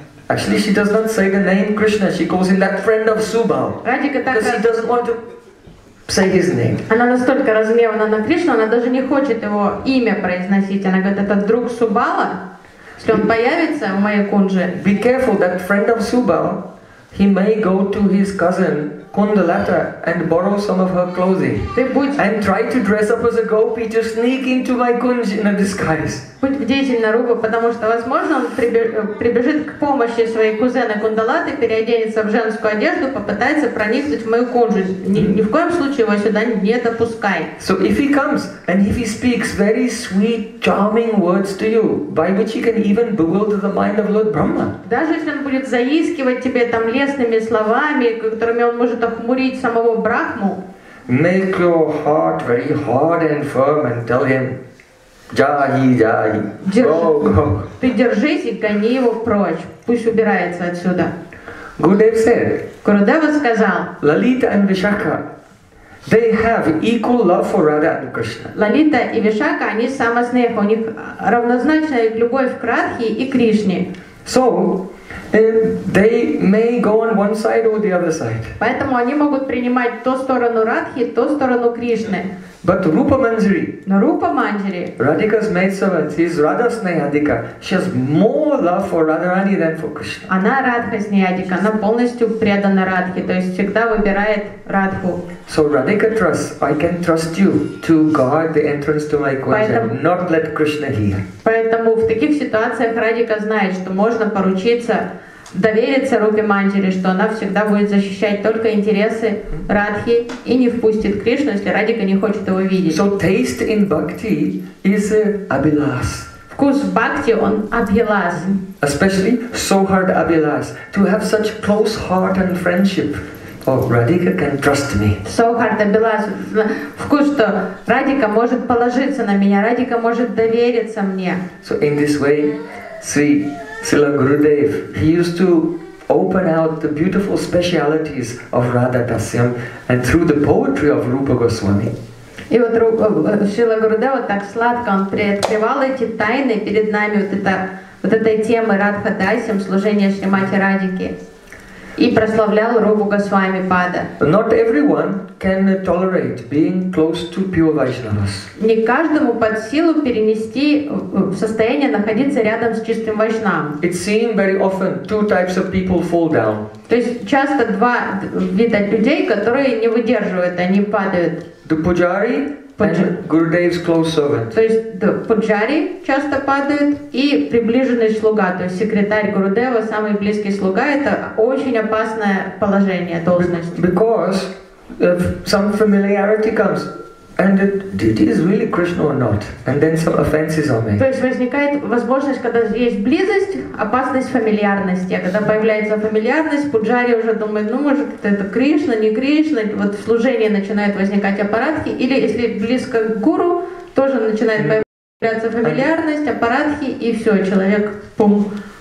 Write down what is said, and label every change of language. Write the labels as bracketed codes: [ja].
[en] Actually, she does not say the name Krishna. She calls him that friend of Subal. [ru] Радика так. [en] Because he doesn't want to. Say his name. [ru] Она настолько разгневана на Кришну, она даже не хочет его имя произносить. Она говорит, это друг Субала, если он появится в моей кунже. [en] Be careful, that friend of Subal, he may go to his cousin Kundalata and borrow some of her clothing. And try to dress up as a gopi to sneak into my kunj in a disguise. [ru] Будь бдительна, Руба, потому что, возможно, он прибежит к помощи своей кузена Кундалаты, переоденется в женскую одежду, попытается проникнуть в мою кунжу. Ни в коем случае его сюда не допускай. [en] So if he comes, and if he speaks very sweet, charming words to you, by which he can even bewilder the mind of Lord Brahma. [ru] Даже если он будет заискивать тебе там лестными словами, которыми он может охмурить самого Брахму. [en] Make your heart very hard and firm and tell him, Джай-джай, го-го. [ru] Ты держись и гони его прочь. Пусть убирается отсюда. [en] Гурудев said, [ru] Гурудева сказал, [en] Лалита and Вишакха, they have equal love for Radha and Krishna. [ru] Лалита и Вишакха, они самоснеха, у них равнозначная любовь к Радхе и Кришне. [en] So, they may go on one side or the other side. [ru] Поэтому они могут принимать ту сторону Радхи, ту сторону Кришны. [en] But Rupa Manjari, [ru] но Рупа Манджари, [en] Radhika's maidservant, is Radha Snehadika. She has more love for Radharani than for Krishna. [ru] Она Радха Снеядика, она полностью предана Радхе, то есть всегда выбирает Радху. [en] So Radhika trusts, I can trust you to guard the entrance to my kunj and not let Krishna here. [ru] Поэтому в таких ситуациях Радика знает, что можно поручиться, довериться Рупе Манджари, что она всегда будет защищать только интересы Радхи и не впустит Кришну, если Радика не хочет его видеть. [en] So taste in bhakti is abhilas. [ru] Вкус в бхакти, он абхилас. [en] Especially so hard abhilas. To have such close heart and friendship. Oh, Radhika can trust me. So hard abhilas. [ru] Вкус, что Радика может положиться на меня, Радика может довериться мне. [en] So in this way, see, Srila Gurudev, he used to open out the beautiful specialities of Radha Dasyam and through the poetry of Rupa Goswami. [ru] И вот Srila Gurudev так сладко, он приоткрывал эти тайны перед нами, вот этой темы Радха Дасьям, служения Шримати Радике, и прославлял Рупу Госвами Пада. [en] Not everyone can tolerate being close to pure Vaishnavas. [ru] Не каждому под силу перенести в состояние находиться рядом с чистым Вайшнавом. [en] It's seen very often two types of people fall down. [ru] То есть часто два вида людей, которые не выдерживают, они падают. [en] The pujari and Gurudev's close servant. [ru] То есть пуджари часто падают и приближенный слуга, то есть секретарь Гурудева, самый близкий слуга, это очень опасное положение, должность. [en] Because some familiarity comes and it is really Krishna or not, and then some offenses are made. [ru] То есть возникает возможность, когда есть близость, опасность фамильярности, а когда появляется фамильярность, пуджари уже думает, ну может это Кришна, не Кришна, вот в служении начинают возникать аппаратхи, или если близко к гуру, тоже начинает появляться фамильярность, аппаратхи, и все, человек, пум.